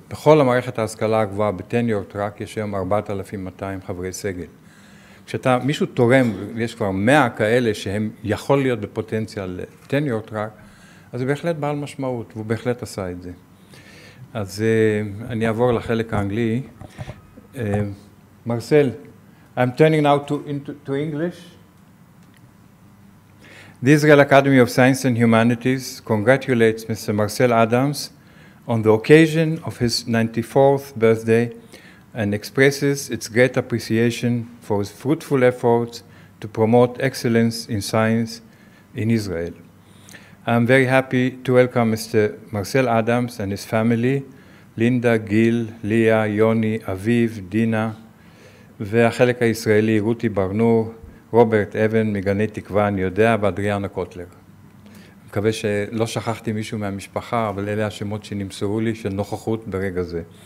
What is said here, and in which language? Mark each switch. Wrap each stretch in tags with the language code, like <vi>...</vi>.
<he>בכל המערכת ההשכלה הגבוהה בטניור טראק יש היום 4,200 חברי סגל. כשאתה, מישהו תורם, יש כבר 100 כאלה שהם יכול להיות בפוטנציאל לטניור טראק, אז זה בהחלט בעל משמעות, והוא בהחלט עשה את זה. אז אני אעבור לחלק האנגלי. מרסל.</he> <en>I'm turning now to English. The Israel Academy of Science and Humanities congratulates Mr. Marcel Adams on the occasion of his 94th birthday and expresses its great appreciation for his fruitful efforts to promote excellence in science in Israel. I'm very happy to welcome Mr. Marcel Adams and his family, Linda, Gil, Leah, Yoni, Aviv, Dina,</en> <he>והחלק הישראלי,</he> <en>רותי ברנור, רוברט אבן, מגני תקווה,</en> <he>אני יודע,</he> <en>ואדריאנה קוטלר.</en> <he>מקווה שלא שכחתי מישהו מהמשפחה, אבל אלה השמות שנמסרו לי של נוכחות ברגע זה.</he>